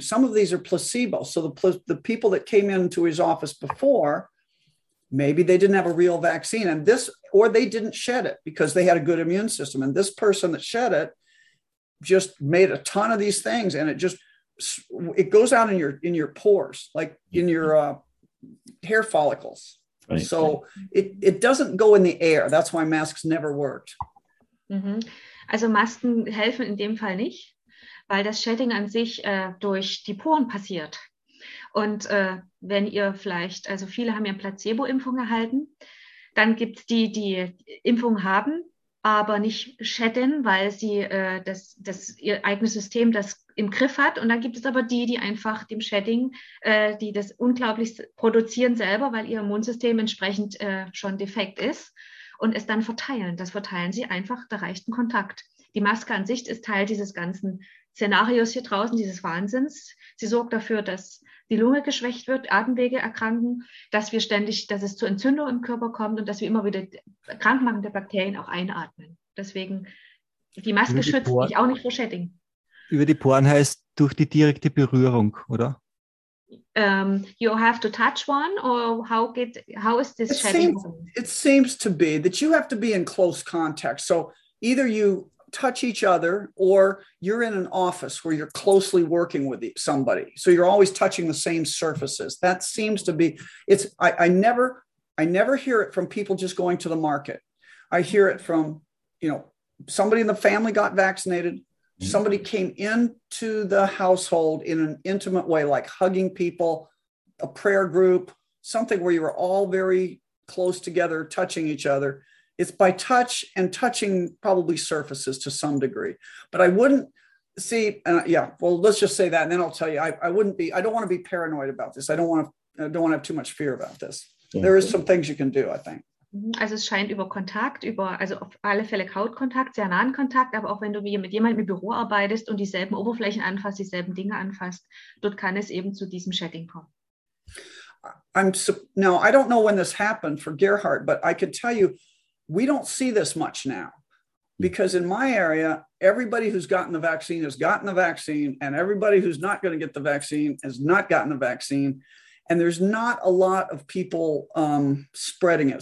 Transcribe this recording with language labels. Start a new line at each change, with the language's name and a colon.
English: Some of these are placebo. So the people that came into his office before, maybe they didn't have a real vaccine, and this, or they didn't shed it because they had a good immune system. And this person that shed it just made a ton of these things, and it goes out in your pores, like in your hair follicles. Right. So it doesn't go in the air. That's why masks never worked. Mm-hmm.
German: Also Masken helfen in dem Fall nicht, weil das Shedding an sich durch die Poren passiert. Und wenn ihr vielleicht, also viele haben ja Placebo-Impfung erhalten, dann gibt es die, die Impfung haben, aber nicht shedden, weil sie das ihr eigenes System das im Griff hat. Und dann gibt es aber die, die einfach dem Shedding, die das unglaublich produzieren selber, weil ihr Immunsystem entsprechend schon defekt ist und es dann verteilen. Das verteilen sie einfach, da reicht ein Kontakt. Die Maske an sich ist Teil dieses ganzen Szenarios hier draußen, dieses Wahnsinns. Sie sorgt dafür, dass die Lunge geschwächt wird, Atemwege erkranken, dass es zu Entzündung im Körper kommt und dass wir immer wieder krankmachende Bakterien auch einatmen. Deswegen, die Maske schützt dich auch nicht vor Shedding. Über die Poren heißt durch die direkte Berührung, oder?
English: You have to touch one, or how is this shedding? It seems to be that you have to be in close contact. So either you touch each other, or you're in an office where you're closely working with somebody. So you're always touching the same surfaces. That seems to be, I never hear it from people just going to the market. I hear it from, somebody in the family got vaccinated. Mm-hmm. Somebody came into the household in an intimate way, like hugging people, a prayer group, something where you were all very close together, touching each other. It's by touch and touching probably surfaces to some degree, but I wouldn't see. Let's just say that. And then I'll tell you, I don't want to be paranoid about this. I don't want to have too much fear about this. There is some things you can do, I think.
German: Also es scheint über Kontakt, also auf alle Fälle Hautkontakt, sehr nahen Kontakt, aber auch wenn du mit jemandem im Büro arbeitest und dieselben Oberflächen anfasst, dieselben Dinge anfasst, dort kann es eben zu diesem Shedding kommen.
English: I don't know when this happened for Gerhard, but I could tell you, we don't see this much now, because in my area, everybody who's gotten the vaccine has gotten the vaccine, and everybody who's not going to get the vaccine has not gotten the vaccine, and there's not a lot of people spreading it.